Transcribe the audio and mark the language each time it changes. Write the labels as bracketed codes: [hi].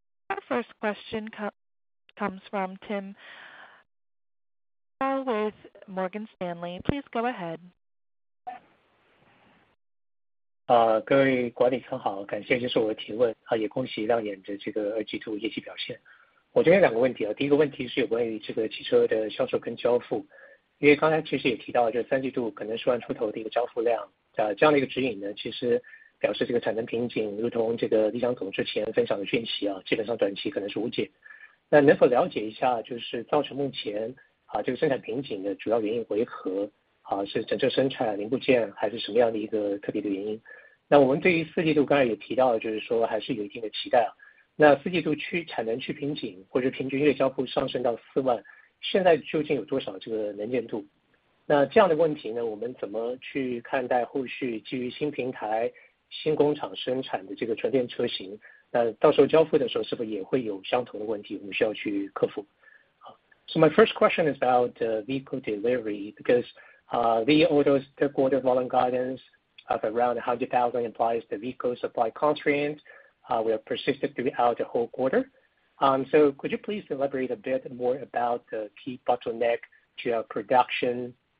[en] Our first question comes from Tim Hsiao with Morgan Stanley. Please go ahead. [zh] 各位管理层好，感谢接受我的提问，也恭喜亮眼的这个二季度业绩表现。我这边两个问题第一个问题是有关于这个汽车的销售跟交付，因为刚才其实也提到这三季度可能10万出头的一个交付量，这样的一个指引呢，其实表示这个产能瓶颈，如同这个李强总之前分享的讯息基本上短期可能是无解。那能否了解一下，就是造成目前这个生产瓶颈的主要原因为何？是整车生产零部件还是什么样的一个特别的原因？那我们对于四季度刚才也提到，就是说还是有一定的期待啊。那四季度去产能去瓶颈，或者平均月交付上升到40,000，现在究竟有多少这个能见度？那这样的问题呢，我们怎么去看待后续基于新平台、新工厂生产的这个纯电车型？那到时候交付的时候，是不是也会有相同的问题，我们需要去克服？ [en] 好 ，So my first question is about the vehicle delivery because the auto's third quarter volume guidance. Of around 100,000 implies the vehicle supply constraints will persist throughout the whole quarter. So could you please elaborate a bit more about the key bottleneck to our production?